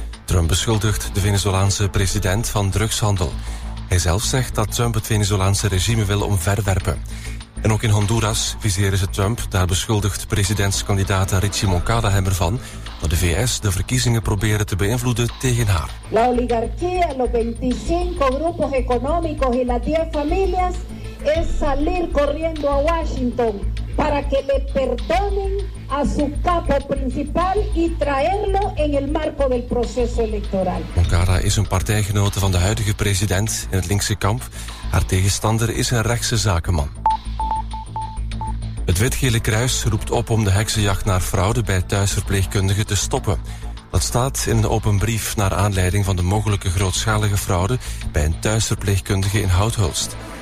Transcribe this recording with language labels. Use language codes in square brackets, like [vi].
[nl] Trump beschuldigt de Venezolaanse president van drugshandel. Hij zelf zegt dat Trump het Venezolaanse regime wil omverwerpen. En ook in Honduras viseren ze Trump. Daar beschuldigt presidentskandidaat Richie Moncada hem ervan dat de VS de verkiezingen proberen te beïnvloeden tegen haar. [es] La oligarquía, los 25 grupos económicos y las 10 familias es salir corriendo a Washington para que le perdonen a su capo principal y traerlo en el marco del proceso electoral. [nl] Moncada is een partijgenote van de huidige president in het linkse kamp. Haar tegenstander is een rechtse zakenman. Het Wit-Gele Kruis roept op om de heksenjacht naar fraude bij thuisverpleegkundigen te stoppen. Dat staat in een open brief naar aanleiding van de mogelijke grootschalige fraude bij een thuisverpleegkundige in Houthulst.